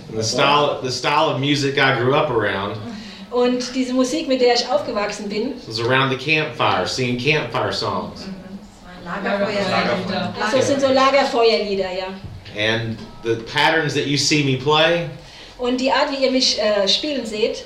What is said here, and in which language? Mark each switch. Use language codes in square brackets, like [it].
[en] The style of music I grew up around. [de] Und diese Musik, mit der ich aufgewachsen bin, [en] was around the campfire, singing campfire songs. [de] Lagerfeuerlieder. Also sind so Lagerfeuerlieder, ja. [en] And the patterns that you see me play. [de] Und die Art, wie ihr mich spielen seht.